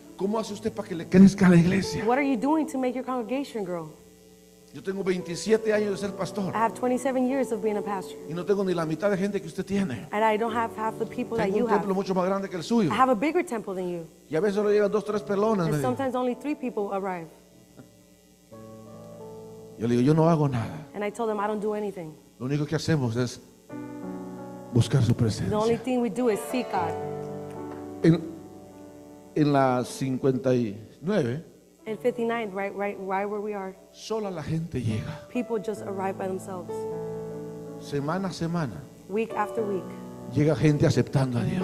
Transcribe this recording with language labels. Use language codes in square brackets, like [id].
[es] ¿Cómo hace usted para que le crezca a la iglesia? [en] What are you doing to make your congregation grow? [es] Yo tengo 27 años de ser pastor. [en] I have 27 years of being a pastor. [es] Y no tengo ni la mitad de gente que usted tiene. [en] And I don't have half the people that you have. [es] Tengo un templo mucho más grande que el suyo. [en] I have a bigger temple than you. [es] Y a veces solo llegan dos, tres personas. [en] And sometimes only three people arrive. [es] Yo le digo, yo no hago nada. [en] And I told them I don't do anything. [es] Lo único que hacemos es buscar su presencia. [en] The only thing we do is seek God. [es] En la 59. [en] In 59, right where we are. [es] Solo la gente llega. [en] People just arrive by themselves. [es] Semana a semana. [en] Week after week. [es] Llega gente aceptando a Dios.